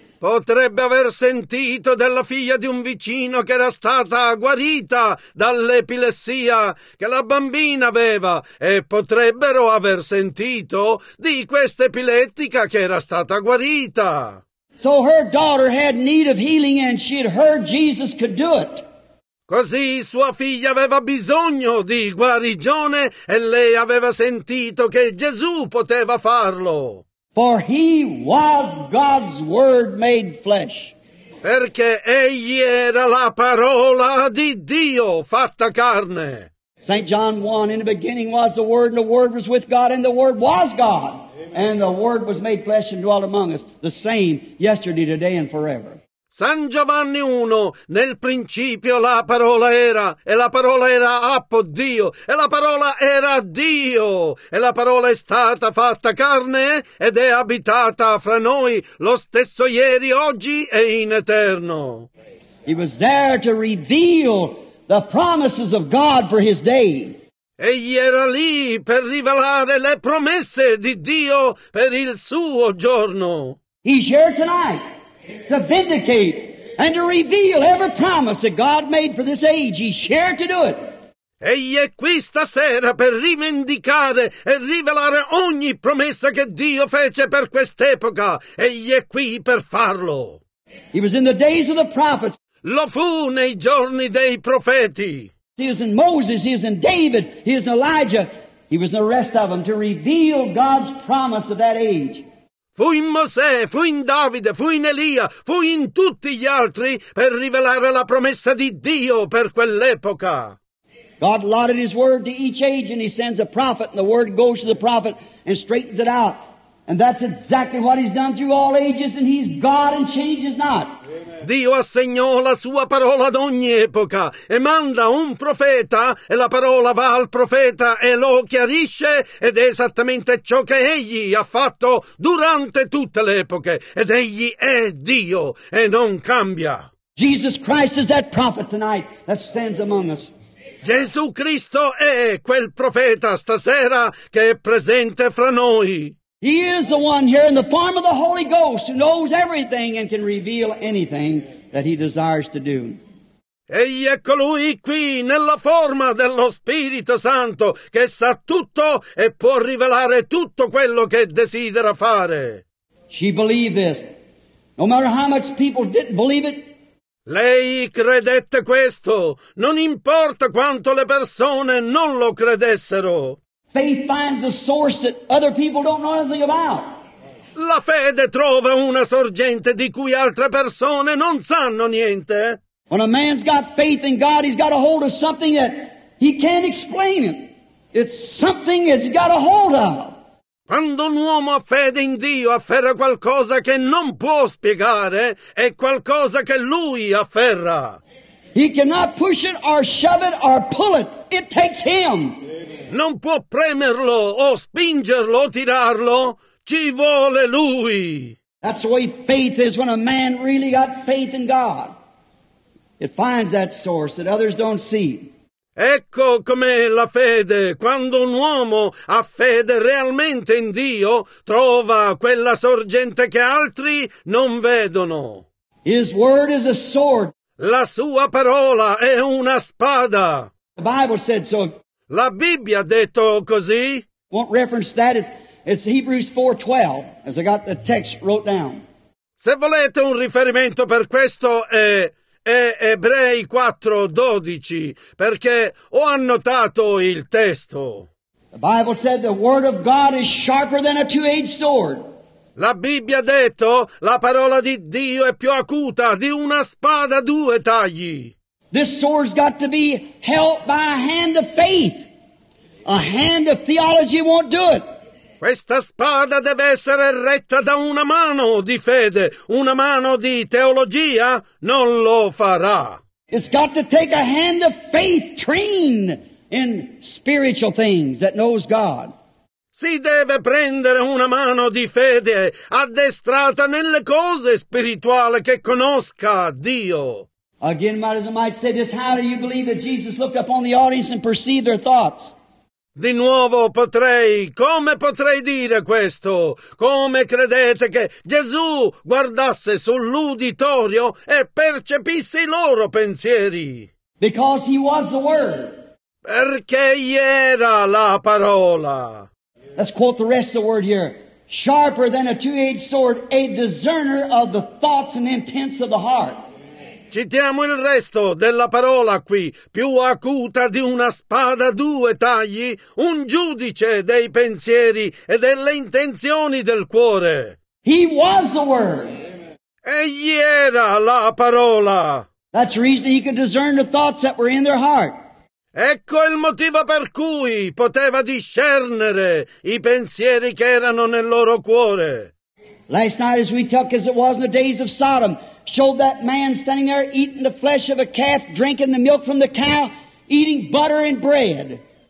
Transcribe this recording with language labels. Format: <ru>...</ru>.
<it>Potrebbe aver sentito della figlia di un vicino che era stata guarita dall'epilessia che la bambina aveva. E potrebbero aver sentito di questa epilettica che era stata guarita.</it> <en>So her daughter had need of healing and she had heard Jesus could do it.</en> <it>Così sua figlia aveva bisogno di guarigione e lei aveva sentito che Gesù poteva farlo.</it> <en>For he was God's word made flesh.</en> <it>Perché egli era la parola di Dio fatta carne.</it> <en>St. John 1, in the beginning was the word, and the word was with God, and the word was God. And the word was made flesh and dwelt among us, the same yesterday, today, and forever.</en> <it>San Giovanni 1, nel principio la parola era, e la parola era appo Dio, e la parola era Dio, e la parola è stata fatta carne ed è abitata fra noi, lo stesso ieri, oggi e in eterno.</it> <en>He was there to reveal the promises of God for his day.</en> <it>Egli era lì per rivelare le promesse di Dio per il suo giorno.</it> <en>He's here tonight to vindicate and to reveal every promise that God made for this age. He's here to do it.</en> <it>Egli è qui stasera per rivendicare e rivelare ogni promessa che Dio fece per quest'epoca. Egli è qui per farlo.</it> <en>He was in the days of the prophets.</en> <it>Lo fu nei giorni dei profeti.</it> <en>He was in Moses, he was in David, he was in Elijah, he was in the rest of them to reveal God's promise of that age.</en> <it>Fu in Mosè, fu in Davide, fu in Elia, fu in tutti gli altri per rivelare la promessa di Dio per quell'epoca.</it> <en>God allotted his word to each age and he sends a prophet and the word goes to the prophet and straightens it out. And that's exactly what he's done through all ages and he's God and changes not.</en> <it>Dio assegnò la sua parola ad ogni epoca e manda un profeta e la parola va al profeta e lo chiarisce ed è esattamente ciò che egli ha fatto durante tutte le epoche ed egli è Dio e non cambia.</it> <en>Jesus Christ is that prophet tonight that stands among us.</en> <it>Gesù Cristo è quel profeta stasera che è presente fra noi.</it> <en>He is the one here in the form of the Holy Ghost who knows everything and can reveal anything that he desires to do.</en> <it>Egli è colui qui nella forma dello Spirito Santo che sa tutto e può rivelare tutto quello che desidera fare.</it> <en>She believed this. No matter how much people didn't believe it.</en> <it>Lei credette questo. Non importa quanto le persone non lo credessero.</it> <en>Faith finds a source that other people don't know anything about.</en> <it>La fede trova una sorgente di cui altre persone non sanno niente.</it> <en>When a man's got faith in God, he's got a hold of something that he can't explain it. It's something it's got a hold of.</en> <it>Quando un uomo ha fede in Dio, afferra qualcosa che non può spiegare, è qualcosa che lui afferra.</it> <en>He cannot push it or shove it or pull it. It takes him.</en> <it>Non può premerlo o spingerlo o tirarlo, ci vuole lui.</it> <en>That's the way faith is when a man really got faith in God. It finds that source that others don't see.</en> <it>Ecco com'è la fede, quando un uomo ha fede realmente in Dio, trova quella sorgente che altri non vedono.</it> <en>His word is a sword.</en> <it>La sua parola è una spada.</it> <en>The Bible said so.</en> <it>La Bibbia ha detto così.</it> <en>Won't reference that. It's Hebrews 4:12, as I got the text wrote down.</en> <it>Se volete un riferimento per questo è Ebrei 4:12, perché ho annotato il testo.</it> <en>The Bible said the word of God is sharper than a two-edged sword.</en> <it>La Bibbia ha detto la parola di Dio è più acuta di una spada a due tagli.</it> <en>This sword's got to be held by a hand of faith. A hand of theology won't do it.</en> <it>Questa spada deve essere retta da una mano di fede. Una mano di teologia non lo farà.</it> <en>It's got to take a hand of faith trained in spiritual things that knows God.</en> <it>Si deve prendere una mano di fede addestrata nelle cose spirituali che conosca Dio.</it> <en>Again, as I might say this, how do you believe that Jesus looked up on the audience and perceived their thoughts?</en> <it>Di nuovo potrei, come potrei dire questo? Come credete che Gesù guardasse sull'uditorio e percepisse i loro pensieri?</it> <en>Because he was the Word.</en> <it>Perché egli era la parola.</it> <en>Let's quote the rest of the word here. Sharper than a two-edged sword, a discerner of the thoughts and intents of the heart.</en> <it>Citiamo il resto della parola qui, più acuta di una spada a due tagli, un giudice dei pensieri e delle intenzioni del cuore.</it> <en>He was the Word.</en> <it>Egli era la parola.</it> <en>That's the reason he could discern the thoughts that were in their heart.</en> <it>Ecco il motivo per cui poteva discernere i pensieri che erano nel loro cuore.</it> <en>Last night as we took as it was in the days of Sodom, showed that man standing there eating the flesh of a calf, drinking the milk from the cow, eating butter and bread.</en>